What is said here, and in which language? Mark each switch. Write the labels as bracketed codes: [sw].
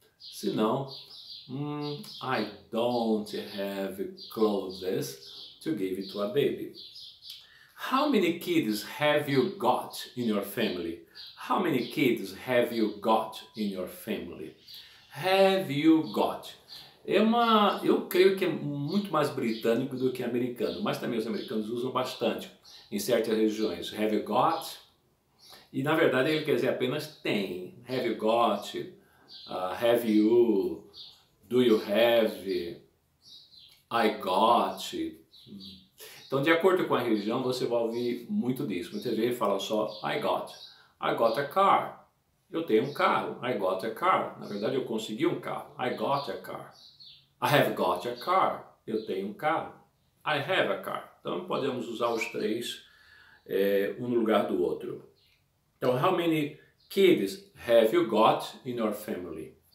[pt] Se não, [en] I don't have clothes to give to a baby. How many kids have you got in your family? How many kids have you got in your family? Have you got? [pt] Eu creio que é muito mais britânico do que americano, mas também os americanos usam bastante em certas regiões. [en] Have you got? [pt] E, na verdade, ele quer dizer apenas tem. [en] Have you got? Have you? Do you have? I got? [pt] Então, de acordo com a região, você vai ouvir muito disso. Muitas vezes ele fala só [en] I got. I got a car. [pt] Eu tenho um carro. [en] I got a car. [pt] Na verdade, eu consegui um carro. [en] I got a car. I have got a car. [pt] Eu tenho um carro. [en] I have a car. [pt] Então, podemos usar os três um no lugar do outro. Então, [en] how many kids have you got in your family?